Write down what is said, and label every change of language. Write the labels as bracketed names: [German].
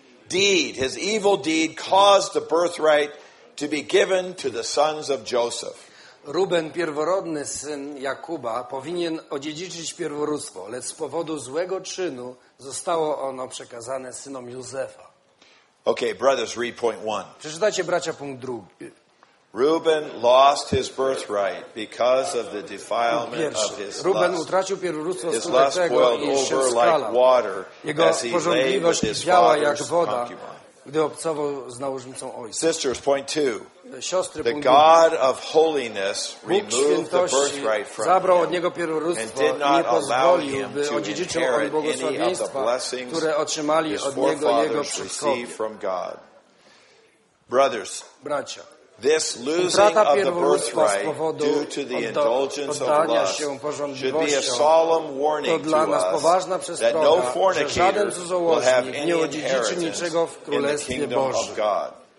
[English] His evil deed caused the birthright to be given to the sons of Joseph. [Polish] Ruben, pierworodny syn Jakuba, powinien odziedziczyć pierworództwo, lecz z powodu złego czynu zostało ono przekazane synom Józefa. [English] Okay, brothers, read point one. [Polish] Przeczytajcie, bracia, punkt drugi. [English] Reuben lost his birthright because of the defilement [Polish] Pierwszy. [English] Of his [Polish] Ruben [English] lust. [Polish] Utracił pierworództwo [English] his lust boiled over like water as he lay with his father's concubine. [Polish] Gdy obcował z nałożnicą ojca. [English] Sisters, point two. [Polish] Siostry, [English] the God of holiness removed the birthright from [Polish] zabrał [English] him [Polish] od niego pierworództwo i nie pozwolił, by odziedziczył on błogosławieństwa, które otrzymali od niego jego przodkowie. [English] Brothers, [Polish] bracia, [English] this losing of the birthright due to the indulgence of lust should be a solemn warning to us that no fornicator will have any inheritance in the kingdom of God.